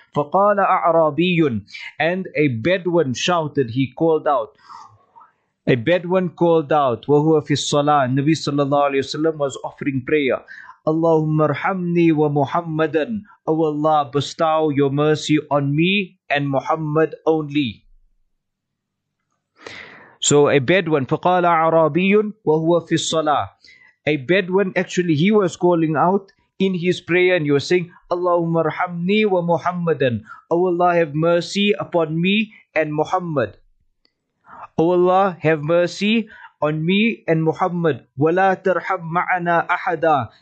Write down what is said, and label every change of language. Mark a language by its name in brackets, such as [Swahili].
[Arabic] فقال أعرابي, [English] and a Bedouin shouted, he called out. A Bedouin called out, [Arabic] وهو في الصلاة. [English] Nabi صلى الله عليه وسلم was offering prayer. [Arabic] اللهم ارحمني ومحمدا. [English] O Allah, bestow your mercy on me and Muhammad only. So a Bedouin, [Arabic] فقال عربي وهو في الصلاة. [English] A Bedouin, actually he was calling out in his prayer and he was saying, [Arabic] اللهم ارحمني ومحمدا. [English] O Allah, have mercy upon me and Muhammad. O Allah, have mercy on me and Muhammad. [Arabic] ولا ترحم معنا أحدا.